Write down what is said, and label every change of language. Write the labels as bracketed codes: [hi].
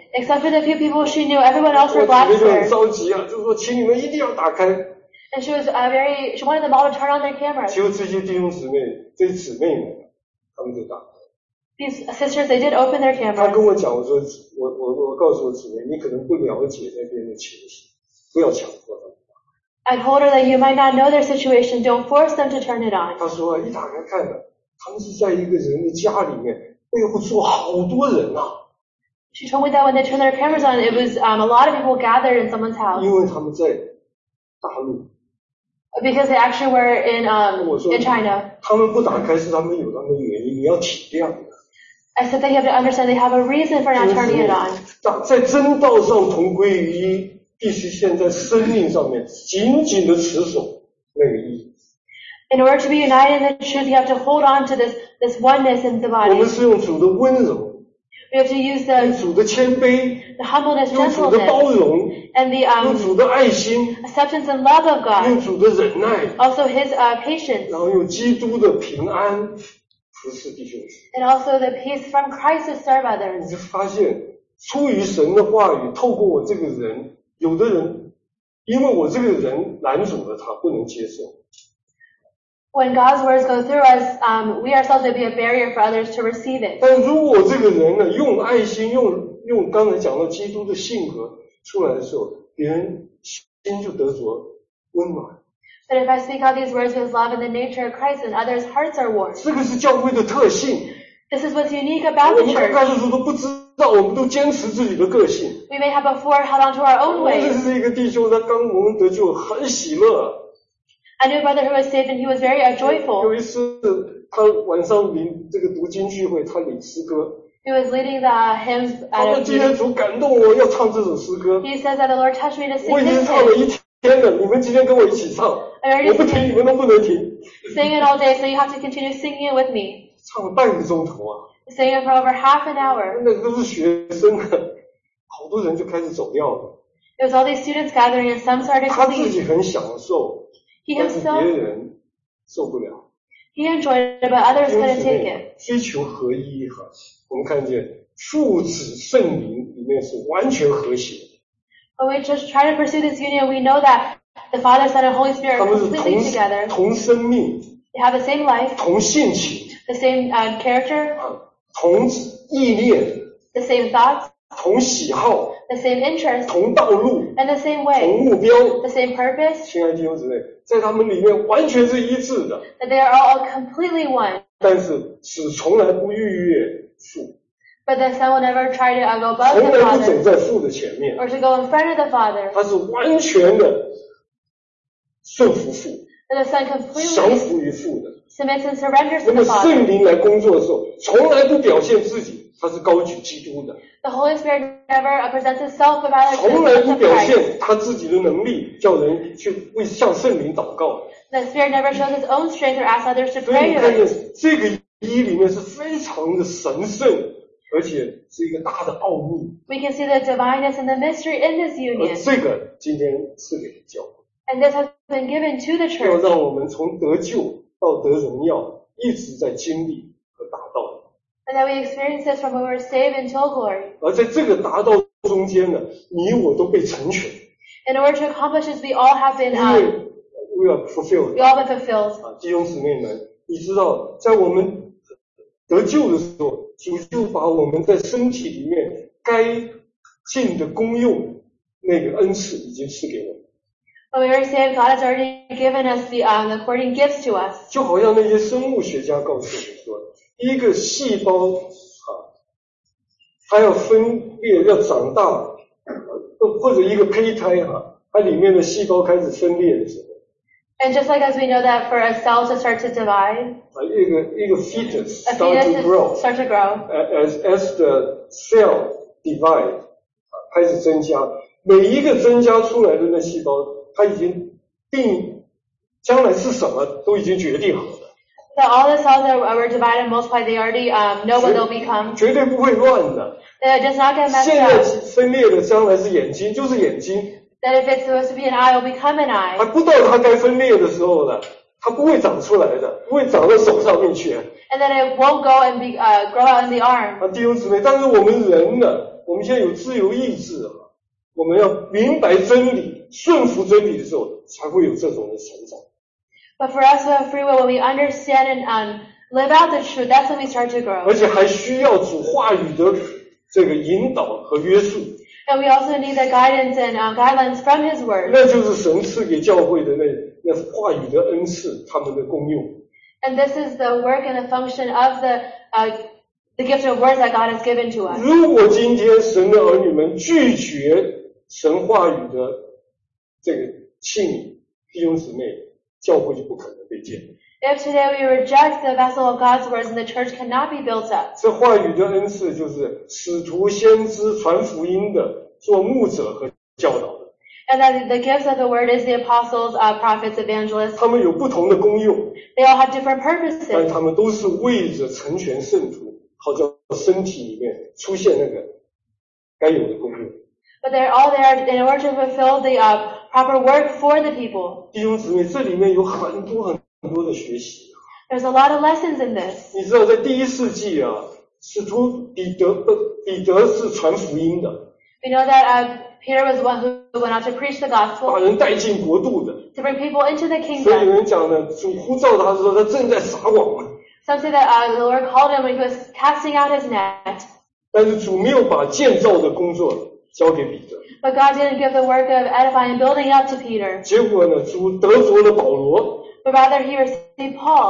[en] Except for the few people she knew, everyone else were black squares. [zh] 我姊妹就很着急啊，就是说，请你们一定要打开。 [en] And she was very, she wanted them all to turn on their cameras. [zh] 就这些弟兄姊妹，这些姊妹们，他们就打开。 [en] These sisters, they did open their cameras. [zh] 他跟我讲，我说，我告诉我姊妹，你可能不了解那边的情形，不要强迫他。 [en] I told her that you might not know their situation. Don't force them to turn it on. [zh] 他说一打开看了，他们是在一个人的家里面，背后坐好多人呐、啊。 [en] She told me that when they turned their cameras on, it was a lot of people gathered in someone's house. [zh] 因为他们在大陆。 [en] Because they actually were in China. [zh] 他们不打开是他们有他们的原因，你要体谅的。 [en] I said they have to understand they have a reason for not turning it on. [zh] 在真道上同归于一。必须现在生命上面紧紧的持守那个意义。 [en] In order to be united in the truth, you have to hold on to this oneness in the body. [zh] 我们是用主的温柔。 [en] We have to use the [zh] 用主的谦卑。 [en] The humbleness, gentleness. [zh] 用主的包容。 [en] And the [zh] 用主的爱心。 [en] Acceptance and love of God. [zh] 用主的忍耐。 [en] Also His patience. [zh] 然后用基督的平安服侍弟兄。 [en] And also the peace from Christ to serve others. [zh] 你就发现出于神的话语，透过我这个人。有的人因为我这个人拦阻了他不能接受。 [en] When God's words go through us, we ourselves will be a barrier for others to receive it. [zh] 但如果这个人呢用爱心用刚才讲到基督的性格出来的时候别人心就得着温暖。 [en] But if I speak all these words with love and the nature of Christ, then others' hearts are warmed. [zh] 这个是教会的特性。 [en] This is what's unique about the church. [zh] 我们刚开始都不知道，我们都坚持自己的个性。 [en] We may have before held on to our own ways. [zh] 认识一个弟兄，他刚蒙恩得救，很喜乐。 [en] I knew a brother who was saved, and he was very joyful. [zh] 有一次，他晚上领这个读经聚会，他领诗歌。 [en] He was leading the hymns. [zh] 他说：“今天主感动我要唱这首诗歌。” [en] He says that the Lord touched me to sing. [zh] 我已经唱了一天了，你们今天跟我一起唱。我不停，你们都不能停。 [en] Sing it all day, so you have to continue singing it with me. [zh] 唱了半个钟头啊。 [en] Sing it for over half an hour. [zh] 那个都是学生啊，好多人就开始走掉了。 [en] It was all these students gathering, and some started to leave. [zh] 他自己很享受。 [en] He himself. [zh] 但是别人受不了。 [en] He enjoyed it, but others couldn't take it. [zh] 追求合一哈。我们看见父子圣灵里面是完全和谐。 [en] When we just try to pursue this union, we know that the Father, Son, and Holy Spirit are completely together. [zh] 同生命。 [en] They have the same life. [zh] 同性情。 [en] The same character. [zh] 同意念。 [en] The same thoughts. [zh] 同喜好。 [en] The same interests. [zh] 同道路。 [en] And the same way. [zh] 同目标。 [en] The same purpose. [zh] 亲爱的弟兄姊妹，在他们里面完全是一致的。 [en] That they are all completely one. [zh] 但是是从来不逾越。 [en] But the son will never try to go above the father, or to go in front of the father. [zh] 他是完全的顺服父。 [en] And the son completely [zh] 降服于父的。 [en] Submits and surrenders to the father. [zh] 那么圣灵来工作的时候，从来不表现自己，他是高举基督的。 [en] The Holy Spirit never presents itself about the Son. [zh] 从来不表现他自己的能力，叫人去为向圣灵祷告。 [en] The Spirit never shows his own strength or asks others to pray. [zh] 所以你看见这个。一里面是非常的神圣，而且是一个大的奥秘。 [en] We can see the divineness and the mystery in this union. [zh] 这个今天赐给了教会。 [en] And this has been given to the church. [zh] 要让我们从得救到得荣耀，一直在经历和达到。 [en] And that we experience this from when we're saved until glory. [zh] 而在这个达到中间呢，你我都被成全。 [en] In order to accomplish this, we all have been. [zh] 因为 [en] we are fulfilled. We all been fulfilled. [zh] 弟兄姊妹们。你知道在我们得救的时候，主就把我们在身体里面该尽的功用那个恩赐已经赐给我们。 [en] When we are saved, God has already given us the according gifts to us. [zh] 就好像那些生物学家告诉我们说，一个细胞啊，它要分裂要长大，或者一个胚胎啊，它里面的细胞开始分裂的时候， [en] And just like as we know that for a cell to start to divide, [zh] 一个 fetus [en] start to grow, as the cell divide, [zh] 开始增加，每一个增加出来的那细胞，它已经定将来是什么都已经决定好了。 [en] So all the cells that were divided and multiplied, they already know what they'll become. [zh] 绝对不会乱的。 [en] That it does not get messed up. [zh] 现在分裂的将来是眼睛，就是眼睛。 [en] That if it's supposed to be an eye, it will become an eye. [zh] 还不到它该分裂的时候呢，它不会长出来的，不会长到手上面去。 [en] And then it won't go and be grow out in the arm. [zh] 弟兄姊妹，但是我们人呢，我们现在有自由意志啊，我们要明白真理，顺服真理的时候，才会有这种的成长。 [en] But for us, we have free will. When we understand and live out the truth, that's when we start to grow. [zh] 而且还需要主话语的这个引导和约束。 [en] And we also need the guidance and guidelines from His Word. [zh] 那就是神赐给教会的那话语的恩赐，他们的功用。 [en] And this is the work and the function of the gift of words that God has given to us. [zh] 如果今天神的儿女们拒绝神话语的这个器皿，弟兄姊妹，教会就不可能被建立。 [en] If today we reject the vessel of God's words, then the church cannot be built up. [zh] 这话语的恩赐就是使徒、先知、传福音的、做牧者和教导的。 [en] And that the gifts of the word is the apostles, prophets, evangelists. [zh] 他们有不同的功用。 [en] They all have different purposes. [zh] 但他们都是为着成全圣徒，好叫身体里面出现那个该有的功用。 [en] But they're all there in order to fulfill the proper work for the people. [zh] 弟兄姊妹，这里面有很多很。很多的学习。 [en] There's a lot of lessons in this. [zh] 你知道在第一世纪啊，使徒彼得是传福音的。 [en] We know that Peter was the one who went out to preach the gospel. [zh] 把人带进国度的。 [en] To bring people into the kingdom. [zh] 所以有人讲呢，主呼召他的时候，他正在撒网。 [en] Some say that the Lord called him when he was casting out his net. [zh] 但是主没有把建造的工作交给彼得。 [en] But God didn't give the work of edifying and building up to Peter. [zh] 结果呢，主得着了保罗。 [en] But rather he received Paul.